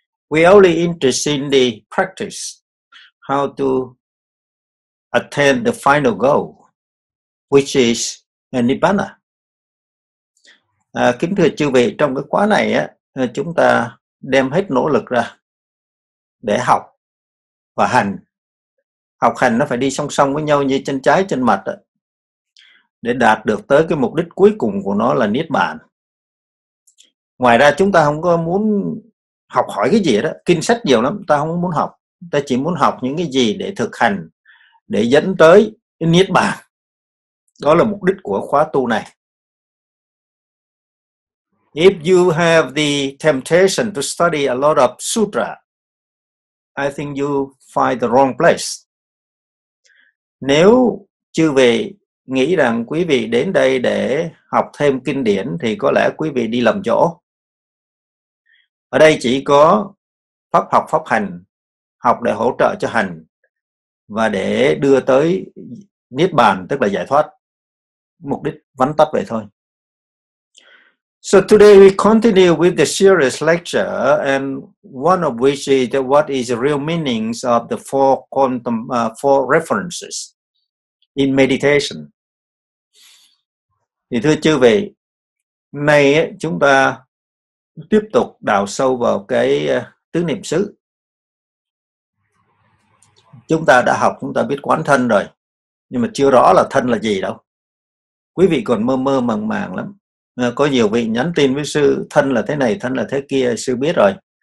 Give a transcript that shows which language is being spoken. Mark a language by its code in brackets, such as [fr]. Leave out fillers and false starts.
[en] We are only interested in the practice, how to attain the final goal, which is Nibbana. [vi] Kính thưa chư vị, trong cái khóa này á, chúng ta đem hết nỗ lực ra để học và hành. Học hành nó phải đi song song với nhau như chân trái chân mặt á, để đạt được tới cái mục đích cuối cùng của nó là Niết Bàn. Ngoài ra chúng ta không có muốn học hỏi cái gì đó, kinh sách nhiều lắm, ta không muốn học, ta chỉ muốn học những cái gì để thực hành, để dẫn tới Niết Bàn. Đó là mục đích của khóa tu này. [en] If you have the temptation to study a lot of sutra, I think you find the wrong place. [vi] Nếu chư vị nghĩ rằng quý vị đến đây để học thêm kinh điển thì có lẽ quý vị đi lầm chỗ. Ở đây chỉ có pháp học pháp hành, học để hỗ trợ cho hành và để đưa tới Niết Bàn, tức là giải thoát, mục đích vắn tắt vậy thôi. [en] So today we continue with the serious lecture, and one of which is that what is the real meanings of the four quantum, four references in meditation. [vi] Thì thưa chư vị, nay chúng ta tiếp tục đào sâu vào cái tứ niệm xứ. Chúng ta đã học, chúng ta biết quán thân rồi, nhưng mà chưa rõ là thân là gì đâu. Quý vị còn mơ mơ màng màng lắm. Có nhiều vị nhắn tin với sư, thân là thế này, thân là thế kia, sư biết rồi.